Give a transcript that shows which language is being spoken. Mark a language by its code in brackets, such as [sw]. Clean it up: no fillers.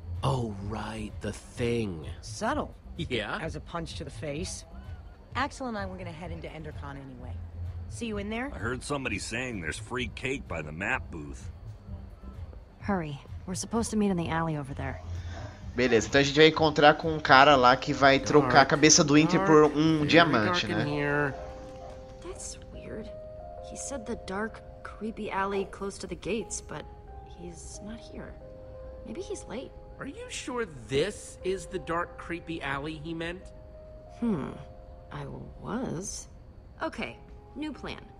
[en] Oh, right, the thing. Subtle. Yeah. As a punch to the face. Axel and I were gonna head into Endercon anyway. See you in there? I heard somebody saying there's free cake by the map booth. Hurry. We're supposed to meet in the alley over there. [pt] Beleza, então a gente vai encontrar com um cara lá que vai trocar a cabeça do Inter por um diamante, né? [en] That's weird. He said the dark, creepy alley close to the gates, but he's not here. Maybe he's late. Are you sure this is the dark, creepy alley he meant? I was. Okay, new plan.